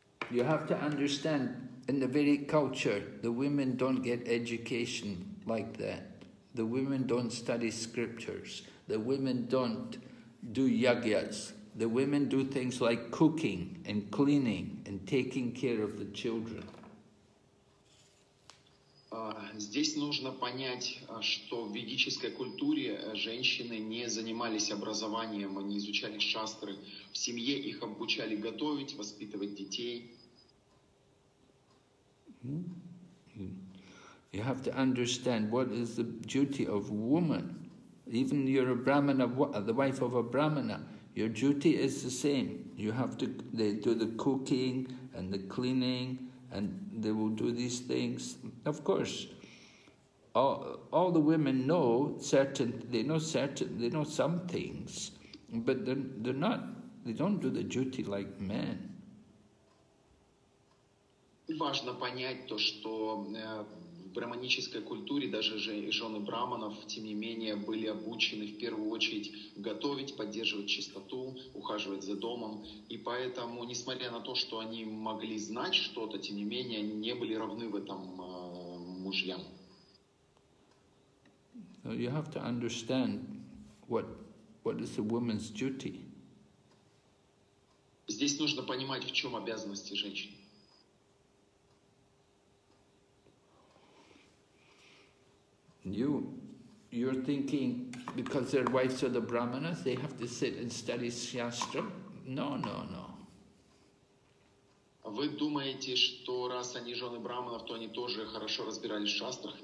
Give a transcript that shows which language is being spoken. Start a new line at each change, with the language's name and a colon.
English: You have to understand, in the Vedic culture, the women don't get education like that. The women don't study scriptures. The women don't do yajnas. The women do things like cooking and cleaning and taking care of the children.
Russian: Здесь нужно понять, что в ведической культуре женщины не занимались образованием, они изучали шастры. В семье их обучали готовить, воспитывать детей.
English: You have to understand what is the duty of woman. Even you're a brahmana, the wife of a brahmana. Your duty is the same. You have to, they do the cooking and the cleaning and they will do these things. Of course, all the women know certain, they know some things, but they're not, they don't do the duty like men.
Russian: Важно понять то, что в брахманической культуре даже жены браманов, тем не менее, были обучены в первую очередь готовить, поддерживать чистоту, ухаживать за домом. И поэтому, несмотря на то, что они могли знать что-то, тем не менее, они не были равны в этом мужьям.
English: You have to understand what is a woman's duty.
Russian: Здесь нужно понимать, в чем обязанности женщины.
English: You're thinking because they're wives of the brahmanas, they have to sit and study shastra? No.
Russian: Вы думаете, что раз они жены браманов, то они тоже хорошо разбирались в шастрах?